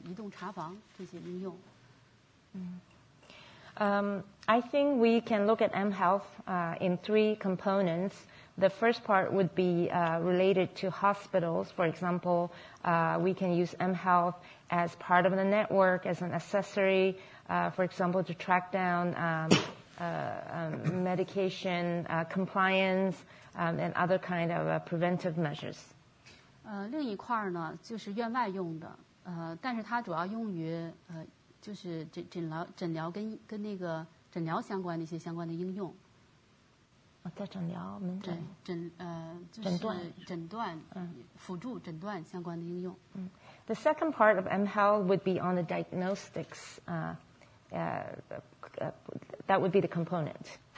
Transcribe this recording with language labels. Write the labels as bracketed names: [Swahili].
[Chinese] 目前就是按我的理解来说，实际上可以把它分成三大部分。一块儿的话呢，就是mHealth的话呢，可能是用在医院里头，辅助就是说现在医院里头也布了很多的支持移动技术的一些这个一些设备啊，也部署了相关的网络来支撑这种，比如说药品的跟踪啊，还有这个移动查房这些应用。嗯。 [English] I think we can look at mHealth in three components. The first part would be related to hospitals. For example, we can use mHealth as part of the network, as an accessory, for example, to track down medication compliance and other kind of preventive measures. [Chinese] 另一块呢，就是院外用的，但是它主要用于就是诊疗跟那个诊疗相关的一些相关的应用，在诊疗门诊，诊断辅助诊断相关的应用。 [English] The second part of mHealth would be on the diagnostics, that would be the component.